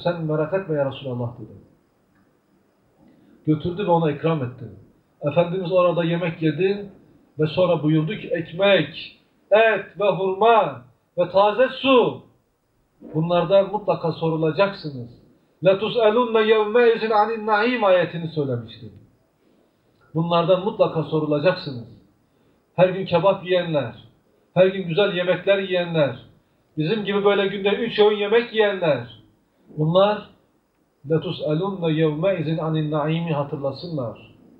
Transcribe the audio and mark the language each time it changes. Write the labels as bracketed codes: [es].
[tr] Sen merak etme ya Resulallah dedi. Götürdü ve ona ikram etti. Efendimiz orada yemek yedi ve sonra buyurdu ki ekmek, et ve hurma ve taze su. Bunlardan mutlaka sorulacaksınız. [ar] لَتُسْأَلُنَّ يَوْمَيْزِنْ عَنِ النَّعِيمِ [tr] ayetini söylemişti. Bunlardan mutlaka sorulacaksınız. Her gün kebap yiyenler, her gün güzel yemekler yiyenler, bizim gibi böyle günde üç öğün yemek yiyenler, bunlar [ar] لَتُسْأَلُنَّ يَوْمَيْزِنْ عَنِ النَّعِيمِ [tr] hatırlasınlar.